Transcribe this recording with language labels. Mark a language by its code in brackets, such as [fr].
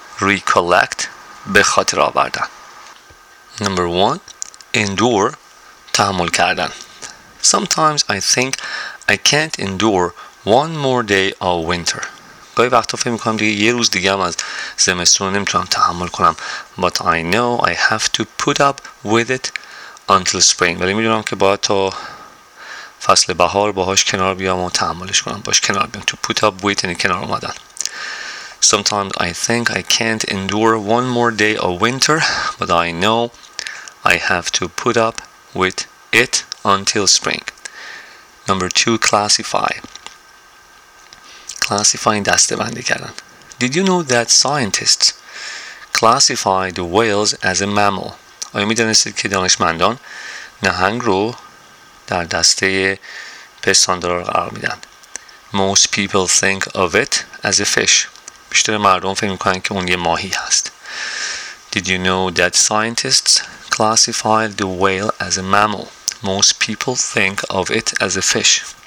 [fa] Recollect, به خاطر آوردن. [en] Number one, endure, [fa] تحمل کردن. [en] Sometimes I think I can't endure one more day of winter. [fa] گاهی وقتا فکر می کنم دیگه یه روز دیگه هم از زمستون نمیتونم تحمل کنم. [en] But I know I have to put up with it until spring. [fa] ولی میدونم که باید تا فصل بهار باهاش کنار بیام و تحملش کنم. باهاش کنار بیام. [en] To put up with [fa] یعنی کنار اومدن. [en] Sometimes I think I can't endure one more day of winter, but I know I have to put up with it until spring. Number two, classify. Classifying [fa] دستبندی کردن. [en] Did you know that scientists classify the whales as a mammal? [fa] آیا می دانستید که دانشمندان نهنگ رو در دسته پستاندار قرار می دن. [en] Most people think of it as a fish. [fa] بیشتر مردم فکر میکنن که اون یه ماهی هست. [en] Did you know that scientists classify the whale as a mammal? Most people think of it as a fish.